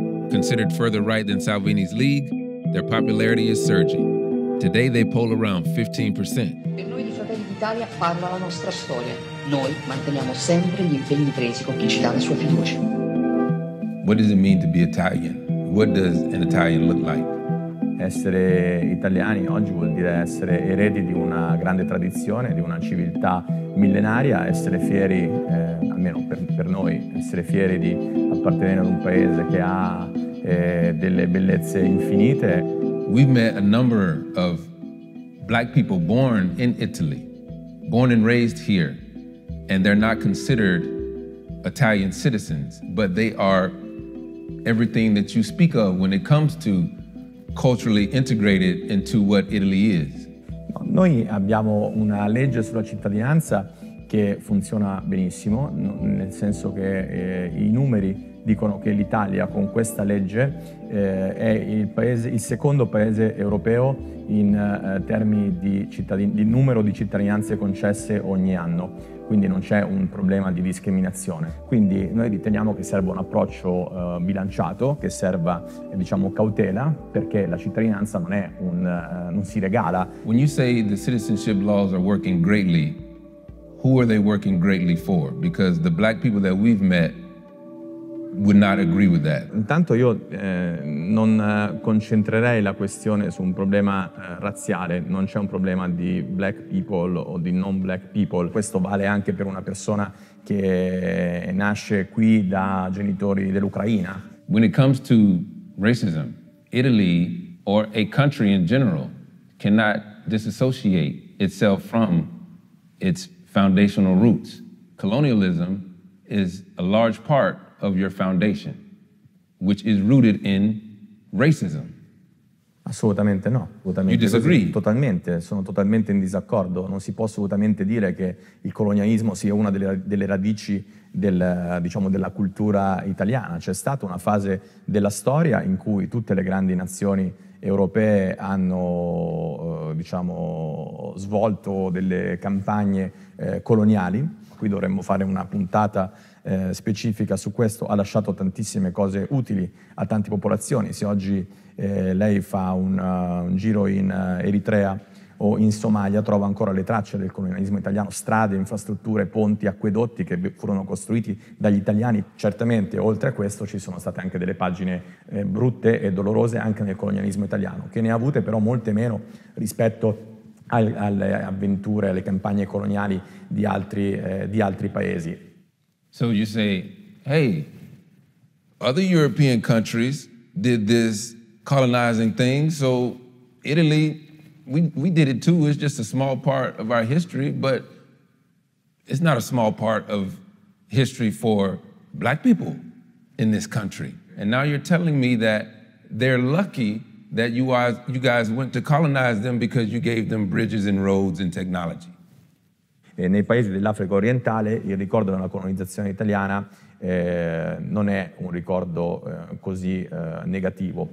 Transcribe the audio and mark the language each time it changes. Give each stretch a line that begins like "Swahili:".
English: Considered further right than Salvini's League, their popularity is surging. Today they poll around 15%.
Italian: Noi di Fratelli d'Italia parla la nostra storia. Noi manteniamo sempre gli impegni presi con chi ci dà la sua fiducia.
English: What does it mean to be Italian? What does an Italian look like?
Italian: Essere italiani oggi vuol dire essere eredi di una grande tradizione, di una civiltà millenaria, essere fieri, almeno per noi, essere fieri di appartenere ad un paese che ha delle bellezze infinite.
English: We've met a number of black people born in Italy, born and raised here, and they're not considered Italian citizens, but they are everything that you speak of when it comes to culturally integrated into what Italy is.
Italian: Noi abbiamo una legge sulla cittadinanza che funziona benissimo, nel senso che i numeri dicono che l'Italia con questa legge è il secondo paese europeo in termini di numero di cittadinanze concesse ogni anno. Quindi non c'è un problema di discriminazione. Quindi noi riteniamo che serva un approccio bilanciato, che serva, diciamo, cautela, perché la cittadinanza non è un non si regala.
English: When you say the citizenship laws are working greatly, who are they working greatly for? Because the black people that we've met would not agree with that.
Italian: Intanto io non concentrerei la questione su un problema razziale. Non c'è un problema di
English: black people
Italian: o di non black people. Questo vale anche per una persona che nasce qui da genitori dell'Ucraina.
English: When it comes to racism, Italy or a country in general cannot disassociate itself from its foundational roots. Colonialism is a large part of your foundation, which is rooted in racism.
Italian: Assolutamente no. Assolutamente.
English: You disagree.
Italian: Totalmente. Sono totalmente in disaccordo. Non si può assolutamente dire che il colonialismo sia una delle radici della cultura italiana. C'è stata una fase della storia in cui tutte le grandi nazioni europee hanno svolto delle campagne coloniali. Qui dovremmo fare una puntata specifica su questo. Ha lasciato tantissime cose utili a tante popolazioni. Se oggi lei fa un giro in Eritrea o in Somalia, trova ancora le tracce del colonialismo italiano, strade, infrastrutture, ponti, acquedotti che furono costruiti dagli italiani. Certamente, oltre a questo, ci sono state anche delle pagine brutte e dolorose anche nel colonialismo italiano, che ne ha avute però molte meno rispetto alle avventure, alle campagne coloniali di altri paesi.
English: So you say, hey, other European countries did this colonizing thing, so Italy, we did it too. It's just a small part of our history, but it's not a small part of history for black people in this country. And now you're telling me that they're lucky that you guys went to colonize them because you gave them bridges and roads and technology.
Italian: Nei paesi dell'Africa orientale il ricordo della colonizzazione italiana non è un ricordo così negativo.